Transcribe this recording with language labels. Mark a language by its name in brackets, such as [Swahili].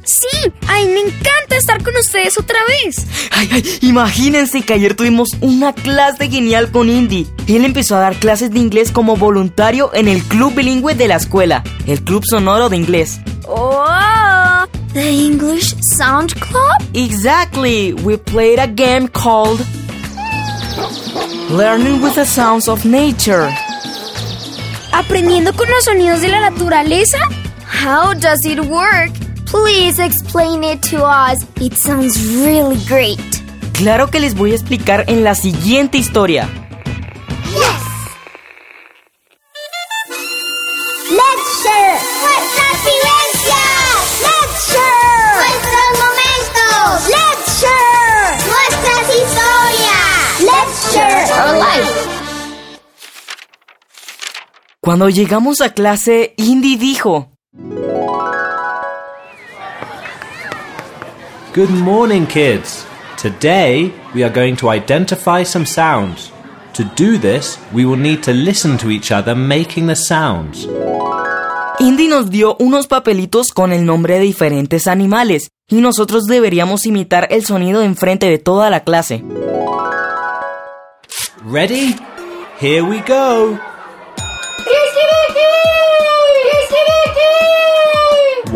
[Spanish] Sí, ay, me encanta estar con ustedes otra vez. Ay, ay, imagínense que ayer tuvimos una clase genial con Indy. Él empezó a dar clases de inglés como voluntario en el club bilingüe de la escuela, el Club Sonoro de Inglés. [English] Oh, the English Sound Club? Exactly, we played a game called Learning with the Sounds of Nature. [Spanish] ¿Aprendiendo con los sonidos de la naturaleza? [English] How does it work? Please explain it to us. It sounds really great. [Spanish] Claro que les voy a explicar en la siguiente historia. [English] Yes! Lecture! [Spanish] ¡Fuerza silencio! [English] Lecture! [Spanish] ¡Nuestros momentos! [English] Lecture! [Spanish] ¡Nuestras historias! [English] Lecture! Our life! [Spanish] Cuando llegamos a clase, Indy dijo... [English] Good morning, kids. Today, we are going to identify some sounds. To do this, we will need to listen to each other making the sounds. [Spanish] Indy nos dio unos papelitos con el nombre de diferentes animales y nosotros deberíamos imitar el sonido enfrente de toda la clase. [English] Ready? Here we go. Kiki-kiki! Kiki-kiki!